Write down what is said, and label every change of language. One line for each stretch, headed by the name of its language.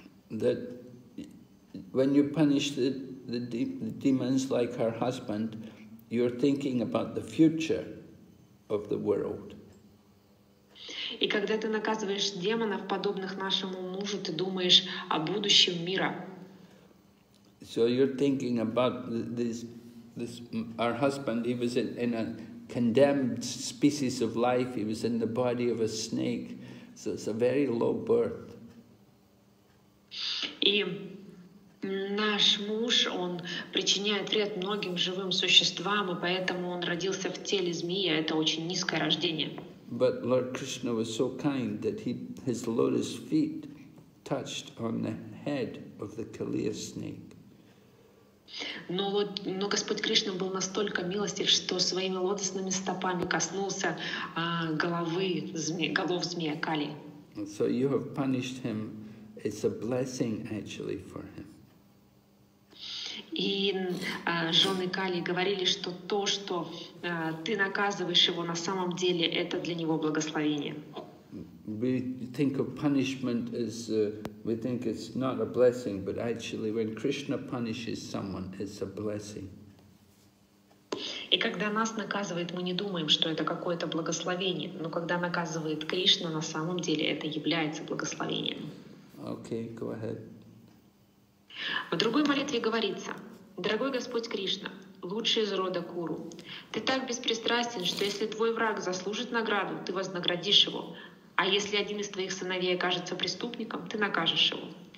English: That when you punish the demons like her husband, you're thinking about the future of the world.
Russian: И когда ты наказываешь демонов, подобных нашему мужу, ты думаешь о будущем мира.
English: So you're thinking about this our husband, he was in a condemned species of life, he was in the body of a snake, so it's a very low birth.
Russian: И наш муж, он причиняет вред многим живым существам, и поэтому он родился в теле змеи, это очень низкое рождение.
English: But Lord Krishna was so kind that his lotus feet touched on the head of the Kaliya snake.
Russian: Но Господь Кришна был настолько милостив, что своими лотосными стопами коснулся голов змея Кали.
English: So you have punished him. It's a blessing actually for him.
Russian: И жены Кали говорили, что то, что ты наказываешь его на самом деле, это для него благословение.
English: We think of punishment as we think it's not a blessing, but actually, when Krishna punishes someone, it's a blessing.
Russian: И когда нас наказывает, мы не думаем, что это какое-то благословение, но когда наказывает Кришна, на самом деле это является благословением.
English: Okay, go ahead.
Russian: В другой молитве говорится, «Дорогой Господь Кришна, лучший из рода Куру, ты так беспристрастен, что если твой враг заслужит награду, ты вознаградишь его, а если один из твоих сыновей окажется преступником, ты накажешь его.